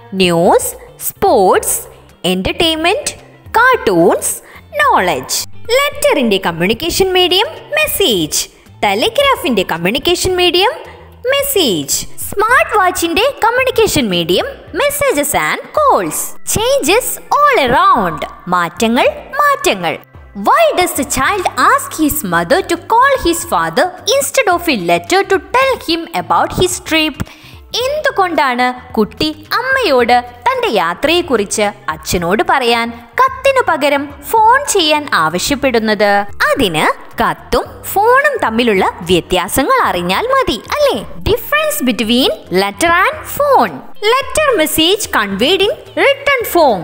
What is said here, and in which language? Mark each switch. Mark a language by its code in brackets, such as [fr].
[en] News, sports, entertainment, cartoons, knowledge. [ml] ലെറ്ററിന്റെ communication medium message. ടെലിഗ്രാഫിന്റെ communication medium message. Smart വാച്ചിന്റെ communication medium messages and calls. [en] changes all around, [ml] മാറ്റങ്ങൾ മാറ്റങ്ങൾ. [en] Why does the child ask his mother to call his father instead of a letter to tell him about his trip? [ml] എന്തുകൊണ്ടാണ് കുട്ടി അമ്മയോട് തന്റെ യാത്രയെക്കുറിച്ച് അച്ഛനോട് പറയാൻ കത്തിനു പകരം ഫോൺ ചെയ്യാൻ ആവശ്യപ്പെടുന്നത്? അതിന് കത്തും ഫോണും തമ്മിലുള്ള വ്യത്യാസങ്ങൾ അറിഞ്ഞാൽ മതി അല്ലേ? [en] Difference between letter and phone. Letter message conveyed in written form.